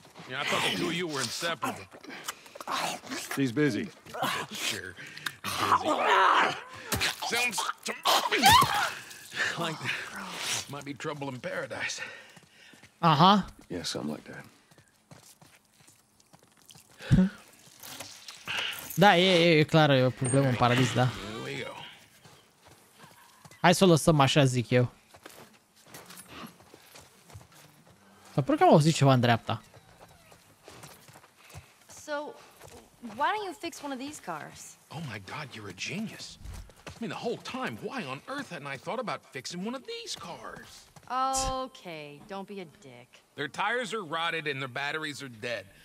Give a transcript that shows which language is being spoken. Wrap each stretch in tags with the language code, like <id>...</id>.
<en>Yeah, I thought the two of you were inseparable. She's busy. Sure. Busy. Sounds to me like might be trouble in paradise. Uh-huh. Yeah, something like that.</en> <ro>Da, e clar, e o problemă în paradis, da. Hai să o lăsăm așa, zic eu. Dar pur că am auzit ceva în dreapta.</ro> <en>So, why don't you fix one of these cars? Oh my god, you're a genius. I mean, the whole time, why on earth hadn't I thought about fixing one of these cars? Okay, don't be a dick. Their tires are rotted and their batteries are dead.</en>